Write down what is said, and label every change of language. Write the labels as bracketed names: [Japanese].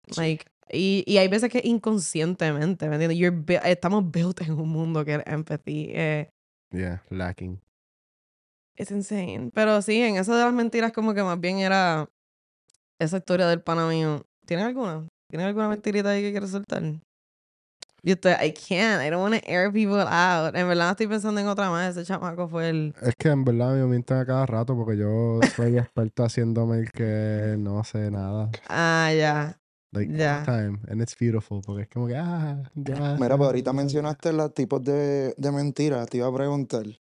[Spanish] Like, y hay veces que inconscientemente, ¿me entiendes? Estamos built en un mundo que es empathy. [English] Yeah, lacking. It's insane. [Spanish] Pero sí, en eso de las mentiras como que más bien era esa historia del pana mío. ¿Tienen alguna? ¿Tienen alguna mentirita ahí que quieras soltar? Y usted, [English] I can't. I don't want to air people out. [Spanish] En verdad estoy pensando en otra más. Ese chamaco fue el... Es que en verdad me mienten a cada rato porque yo soy experto haciéndome el que no sé nada. Ah, ya. Yeah. [English] Like, yeah. All the time. And it's beautiful [Spanish] porque es como que, ah, ya. Mira, pero ahorita mencionaste los tipos de mentiras. Te iba a preguntar.